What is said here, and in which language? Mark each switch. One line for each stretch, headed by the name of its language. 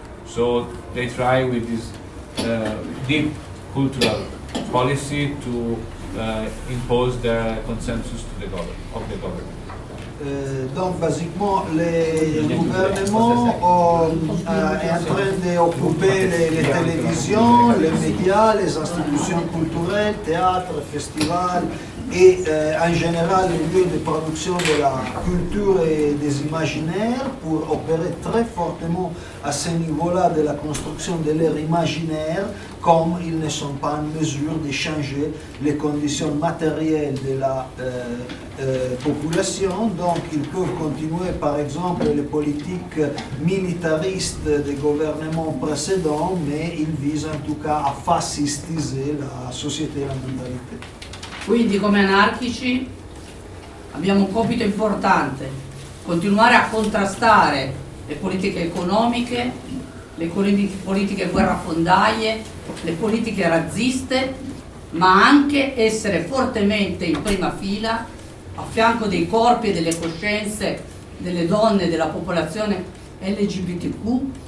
English: So they try with this deep cultural policy to impose their consensus to the government, of the government.
French: Donc, basiquement, le gouvernement est en train d'occuper les télévisions, les médias, les institutions culturelles, théâtres, festivals, et en général les lieux de production de la culture et des imaginaires pour opérer très fortement à ce niveau-là de la construction de leur imaginaire, comme ils ne sont pas en mesure de changer les conditions matérielles de la population. Donc ils peuvent continuer par exemple les politiques militaristes des gouvernements précédents, mais ils visent en tout cas à fascistiser la société et la mentalité.
Italian: Quindi come anarchici abbiamo un compito importante, continuare a contrastare le politiche economiche, le politiche guerrafondaie, le politiche razziste, ma anche essere fortemente in prima fila a fianco dei corpi e delle coscienze delle donne, della popolazione LGBTQ